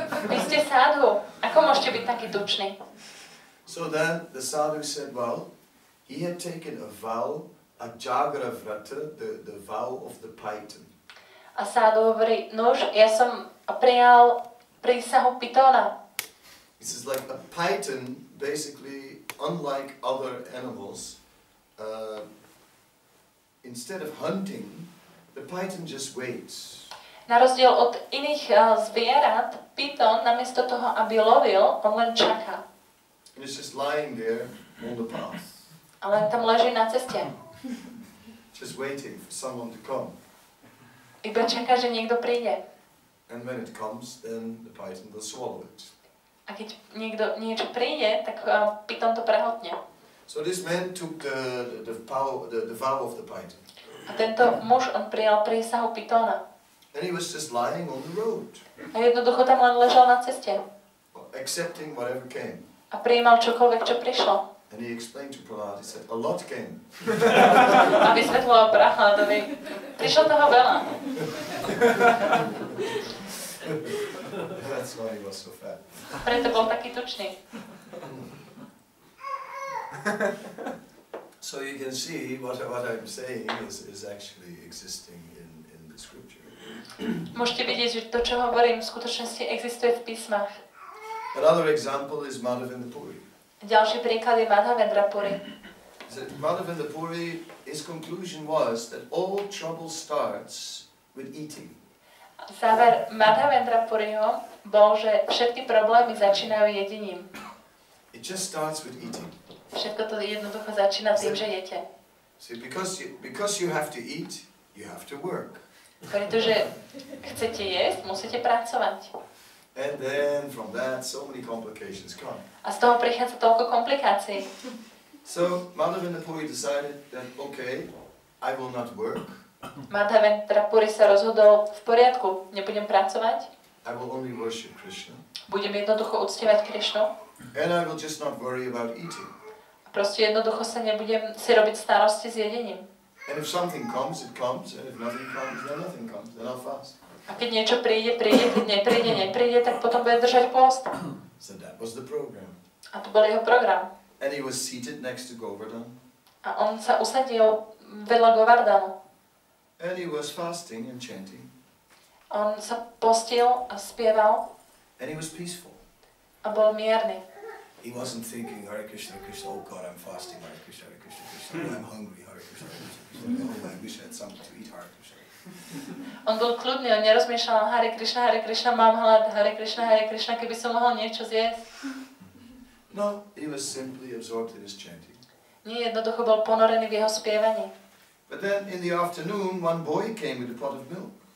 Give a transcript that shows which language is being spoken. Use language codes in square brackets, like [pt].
[sk] Vy ste sadhu, ako môžete byť taký tučný? [en] So then the sadhu said, well, he had taken a vow, a jagravrata, the vow of the python. [sk] A sadhu hovorí, nož, ja som prijal prísahu pitona. [en] This is like a python, basically, unlike other animals, instead of hunting, the python just waits. [sk] Na rozdiel od iných zvierat, python namiesto toho, aby lovil, on len čaká. [en] And it's just lying there on the path. [sk] Ale tam leží na ceste. [en] Just waiting for someone to come. [sk] Iba čaká, že niekto príde. [en] And when it comes, then the python will swallow it. [sk] A keď niekto niečo príde, tak python to prehotne. [en] So this man took the vow of the python. [sk] A tento muž, on prijal prísahu pitona. [en] And he was just lying on the road. [sk] A jednoducho tam len ležal na ceste. [en] Accepting whatever came. [sk] A prijímal čokoľvek, čo prišlo. [en] And he explained to Prahlad, he said, a lot came. [sk] A vysvetloval Prahladovi, prišlo toho veľa. [en] That's why he was so fat. [sk] Preto bol taký tučný. [en] So you can see what I'm saying is actually existing in the scripture. [sk] Môžete vidieť, že to, čo hovorím, v skutočnosti existuje v písmach. [en] Another example is Madhavendrapuri. [sk] Ďalší príklad je Madhavendrapuri. [en] Madhavendrapuri, his conclusion was that all trouble starts with eating. [sk] Záver Madhavendrapuriho bol, že všetky problémy začínajú jedením. [en] It just starts with eating. [sk] Všetko to jednoducho začína tým, že jete. [en] See, because you have to eat, you have to work. [sk] Pretože chcete jesť, musíte pracovať. [en] And then from that so many complications come. [sk] A z toho prichádza toľko komplikácií. [en] So Madhavendrapuri decided that okay, I will not work. [sk] Madhavendrapuri sa rozhodol, v poriadku, nebudem pracovať. [en] I will only worship Krishna. [sk] Budem jednoducho uctievať Krishnu. [en] And I will just not worry about eating. [sk] Proste jednoducho sa nebudem si robiť starosti s jedením. [en] And if something comes, it comes, and if nothing comes, then nothing comes, then I'll fast. [sk] A keď niečo príde, príde, keď nepríde, nepríde, tak potom bude držať pôst. [en] So that was the program. [sk] A to bol jeho program. [en] And he was seated next to Govardhan. [sk] A on sa usadil vedľa Govardhanu. [en] And he was fasting and chanting. [sk] On sa postil a spieval. [en] And he was peaceful. [sk] A bol mierny. [en] He wasn't thinking, Hare Krishna, Hare Krishna, oh God, I'm fasting, Hare Krishna, Hare Krishna, Krishna, I'm hungry, Hare Krishna, Hare Krishna, Krishna, oh, I wish I had something to eat, Hare Krishna. [sk] On bol kľudný, on nerozmýšľal, Hare Krishna, mám hlad, Hare Krishna, keby som mohol niečo zjesť. [en] No, he was simply absorbed in his chanting. [sk] Nie, jednoducho bol ponorený v jeho spievaní. [en] But then in the afternoon, one boy came with a pot of milk.